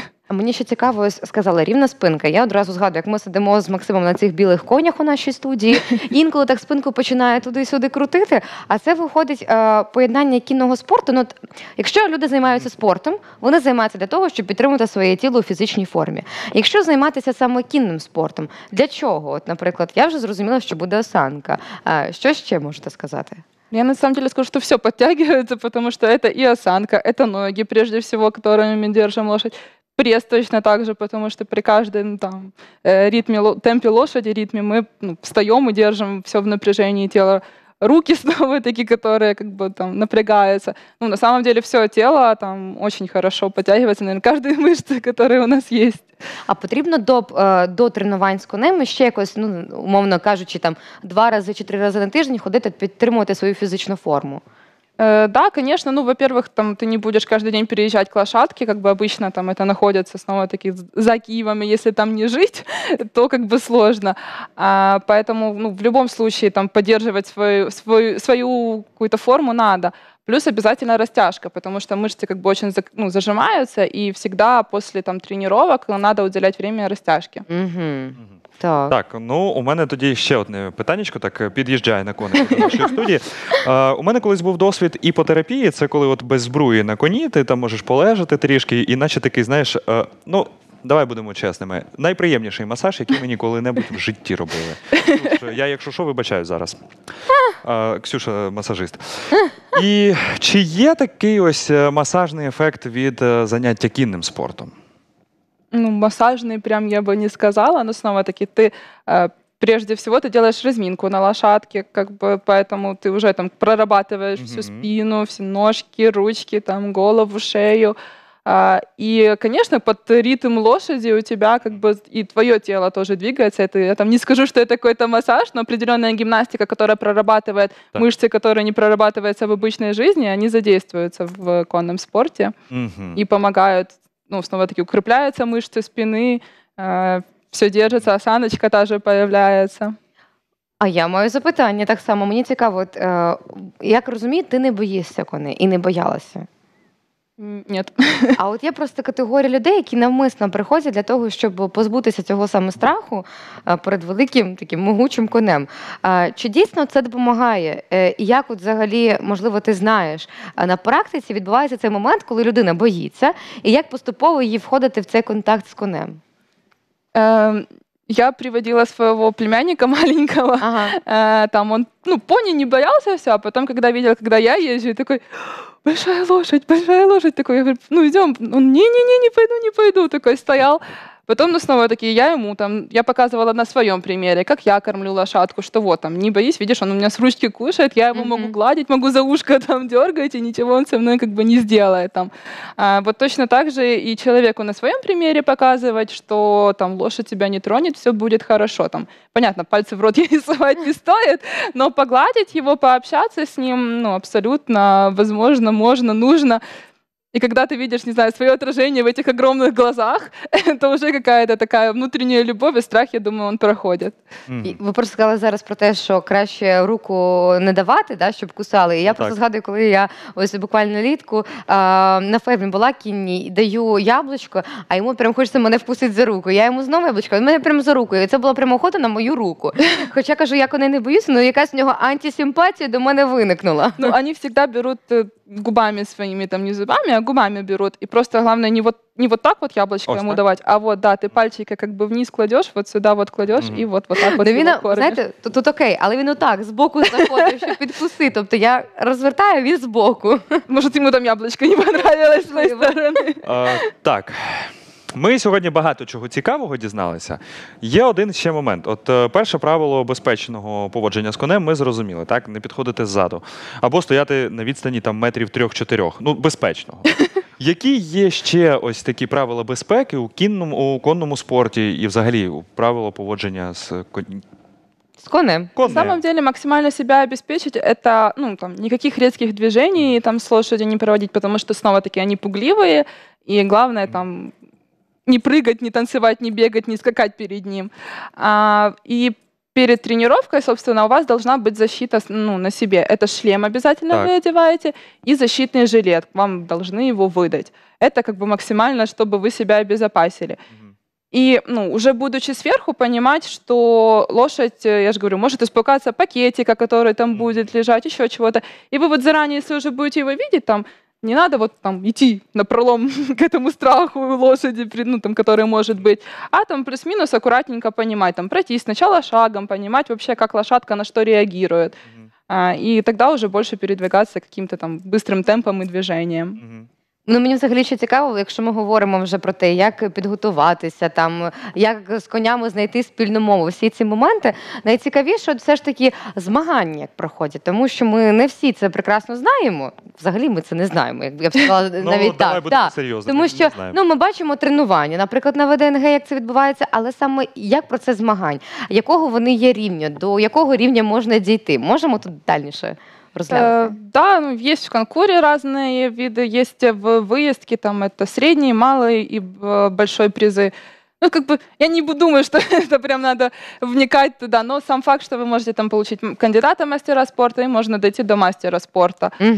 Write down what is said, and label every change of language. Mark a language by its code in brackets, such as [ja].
[uk] А мені ще цікаво, сказала, рівна спинка. Я одразу згадую, як ми сидимо з Максимом на цих білих конях у нашій студії, інколи так спинку починає туди-сюди крутити, а це виходить поєднання кінного спорту. Ну, якщо люди займаються спортом, вони займаються для того, щоб підтримувати своє тіло у фізичній формі. Якщо займатися саме кінним спортом, для чого? От, наприклад, я вже зрозуміла, що буде осанка. Що ще можете сказати? [ru] Я на самом деле скажу, что все подтягивается, потому что это и осанка, это ноги, прежде всего, которыми мы держим лошадь. Пресс точно так же, потому что при каждом там, ритме, темпе лошади, ритме мы ну, встаем и держим все в напряжении тела. Руки снова такие, которые как бы там напрягаются. Ну, на самом деле все тело там очень хорошо подтягивается, наверное, каждая мышца, которая у нас есть. А потрібно до тренувань з конем ще якось, ну, умовно кажучи, там, 2 рази чи 3 рази на тиждень ходити підтримувати свою фізичну форму? Да, конечно, ну, во-первых, там ты не будешь каждый день переезжать к лошадке, как бы обычно там это находится снова-таки за Киевом, и если там не жить, то как бы сложно. Поэтому, ну, в любом случае, там, поддерживать свою какую-то форму надо. Плюс обязательно растяжка, потому что мышцы как бы очень ну, зажимаются, и всегда после там тренировок надо уделять время растяжке. [uk] Mm-hmm. Так. Так, ну, у мене тоді ще одне питанечко, так під'їжджає на коні до нашої студії. У мене колись був досвід іпотерапії, це коли от без збруї на коні, ти там можеш полежати трішки, і наче такий, знаєш, ну, давай будемо чесними, найприємніший масаж, який мені коли-небудь в житті робили. Я, якщо що, вибачаю зараз. Ксюша, масажист. І чи є такий ось масажний ефект від заняття кінним спортом? [ru] Ну, [uk] масажний прям [ru] я бы не сказала, но снова-таки ты, прежде всего, ты делаешь разминку на лошадке, как бы, поэтому ты уже там прорабатываешь всю спину, все ножки, ручки, там, голову, шею. И, конечно, под ритм лошади у тебя как бы и твое тело тоже двигается. Это, я там не скажу, что это какой-то массаж, но определенная гимнастика, которая прорабатывает так. Мышцы, которые не прорабатываются в обычной жизни, они задействуются в конном спорте и помогают. Ну, [uk] знову-таки, укріпляються мишці спини, [ru] все держится, осаночка та же появляется. [uk] А я маю запитання так само. Мені цікаво, от, як розумію, ти не боїшся коней і не боялася? Ні. А от є просто категорія людей, які навмисно приходять для того, щоб позбутися цього саме страху перед великим таким могучим конем. Чи дійсно це допомагає? Як от взагалі, можливо, ти знаєш, на практиці відбувається цей момент, коли людина боїться, і як поступово їй входити в цей контакт з конем? [ru] Я приводила своего племянника маленького, ага. Там он, ну, пони не боялся, все, а потом, когда видел, когда я езжу, такой, большая лошадь, такой, я говорю, ну, идем, он, не-не-не, не пойду, такой стоял. Потом, ну, снова такие, я ему там, я показывала на своем примере, как я кормлю лошадку, что вот там, не боись, видишь, он у меня с ручки кушает, я его могу гладить, могу за ушко там дергать, и ничего он со мной как бы не сделает там. А, вот точно так же и человеку на своем примере показывать, что там лошадь тебя не тронет, все будет хорошо там. Понятно, пальцы в рот ей совать не стоит, но погладить его, пообщаться с ним, ну, абсолютно возможно, можно, нужно. И когда ты видишь, не знаю, свое отражение в этих огромных глазах, то уже какая-то такая внутренняя любовь и страх, я думаю, он проходит. [uk] Ви просто сказали зараз про те, що краще руку не давати, да, щоб кусали. І я просто згадую, коли я ось буквально літку на фермі була кінні, даю яблучко, а йому прям хочеться мене впустити за руку. Я йому знову яблучко, він мене прям за руку. І це була прямо охота на мою руку. Хоча, кажу, я коней не боюся, але якась у нього антисимпатія до мене виникнула. Ну, вони завжди беруть губами своими, там, не зубами, а губами берут. [ru] И просто главное не вот так вот яблочко ось ему так давать, а вот, да, ты пальчики как бы вниз кладешь, вот сюда вот кладешь, и вот так вот его кормишь. Знаете, [uk] тут окей, але він отак, сбоку заходить, щоб підкуси, тобто я розвертаю, він збоку. [ru] Может, ему там яблочко не понравилось с моей стороны. [uk] Так. Ми сьогодні багато чого цікавого дізналися. Є один ще момент. От перше правило безпечного поводження з конем ми зрозуміли, так? Не підходити ззаду. Або стояти на відстані там метрів 3-4. Ну, безпечного. Які є ще ось такі правила безпеки у конному спорті і взагалі у правила поводження з конем? [ru] На самом деле, максимально себя обеспечить – это, ну, там, никаких резких движений там с лошадью не проводить, потому что снова-таки они пугливые, и главное там не прыгать, не танцевать, не бегать, не скакать перед ним. И перед тренировкой, собственно, у вас должна быть защита, ну, на себе. Это шлем обязательно так. Вы одеваете и защитный жилет. Вам должны его выдать. Это как бы максимально, чтобы вы себя обезопасили. И, ну, уже будучи сверху, понимать, что лошадь, я же говорю, может испугаться пакетика, который там будет лежать, еще чего-то. И вы вот заранее, если уже будете его видеть, там, не надо вот там идти напролом к этому страху лошади, ну, там, который может быть, а там плюс-минус аккуратненько понимать, там, пройти сначала шагом, понимать вообще, как лошадка на что реагирует. И тогда уже больше передвигаться каким-то там быстрым темпом и движением. [uk] Ну, мені взагалі ще цікаво, якщо ми говоримо вже про те, як підготуватися, там, як з конями знайти спільну мову, всі ці моменти, найцікавіше все ж таки змагання проходять, тому що ми не всі це прекрасно знаємо, взагалі ми це не знаємо, як я б сказала, навіть ну, так. Давай будемо серйозно, тому що, ну, ми бачимо тренування, наприклад, на ВДНГ, як це відбувається, але саме як процес змагань, якого вони є рівня, до якого рівня можна дійти, можемо тут дальніше? [ru] Да, ну, есть в конкуре разные виды, есть в выездке, там это средний, малый и большой призы. Ну, как бы, я не думаю, что это прям надо вникать туда, но сам факт, что вы можете там получить кандидата мастера спорта и можно дойти до мастера спорта.